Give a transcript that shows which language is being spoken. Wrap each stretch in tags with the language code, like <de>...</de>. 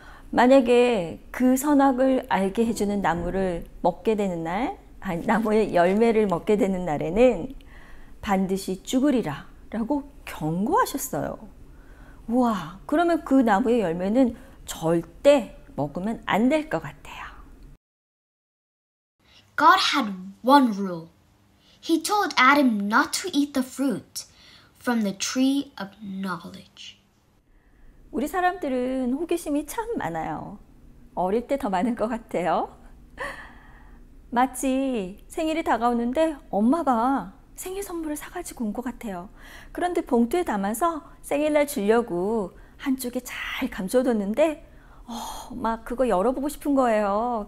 <ko>만약에 그 선악을 알게 해주는 나무를 먹게 되는 날, 나무의 열매를 먹게 되는 날에는 반드시 죽으리라 라고 경고하셨어요. 우와, 그러면 그 나무의 열매는 절대 먹으면 안 될 것 같아요.</ko> <en>God had one rule. He told Adam not to eat the fruit from the tree of knowledge.</en> <ko>우리 사람들은 호기심이 참 많아요. 어릴 때 더 많은 것 같아요. 마치 생일이 다가오는데 엄마가 생일 선물을 사가지고 온 것 같아요. 그런데 봉투에 담아서 생일날 주려고 한쪽에 잘 감춰뒀는데 막 그거 열어보고 싶은 거예요.</ko>